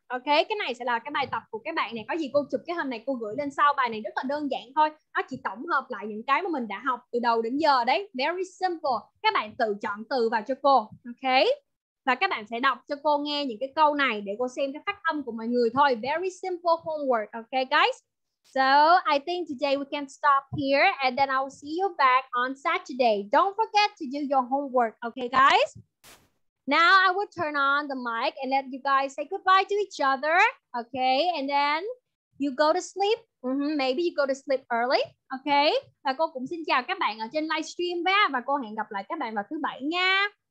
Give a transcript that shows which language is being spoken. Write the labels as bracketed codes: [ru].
[vi] Ok, cái này sẽ là cái bài tập của các bạn này. Có gì cô chụp cái hình này cô gửi lên sau. Bài này rất là đơn giản thôi. Nó chỉ tổng hợp lại những cái mà mình đã học từ đầu đến giờ đấy. [en] Very simple. [vi] Các bạn tự chọn từ vào cho cô. Ok, và các bạn sẽ đọc cho cô nghe những cái câu này để cô xem cái phát âm của mọi người thôi. [en] Very simple homework. Ok guys, so I think today we can stop here. And then I'll see you back on Saturday. Don't forget to do your homework. Ok guys, now I will turn on the mic and let you guys say goodbye to each other, okay? And then you go to sleep. Mm-hmm. Maybe you go to sleep early, okay? [vi] Và cô cũng xin chào các bạn ở trên livestream và cô hẹn gặp lại các bạn vào thứ bảy nha.